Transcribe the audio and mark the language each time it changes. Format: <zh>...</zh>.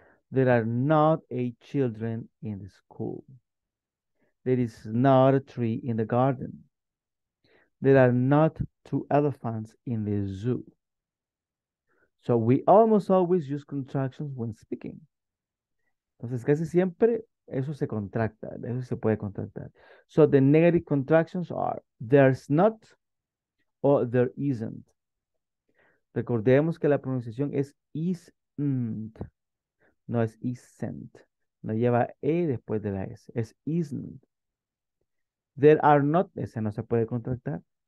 <en>There are not 8 children in the school. There is not a tree in the garden. There are not 2 elephants in the zoo. So we almost always use contractions when speaking.</en> <es>Entonces, casi siempre eso se contracta, eso se puede contractar.</es> <en>So the negative contractions are there's not or there isn't.</en> <es>Recordemos que la pronunciación es isn't, no es isn't. No lleva E después de la S. Es isn't. There are not, ese no se puede contractar.</es>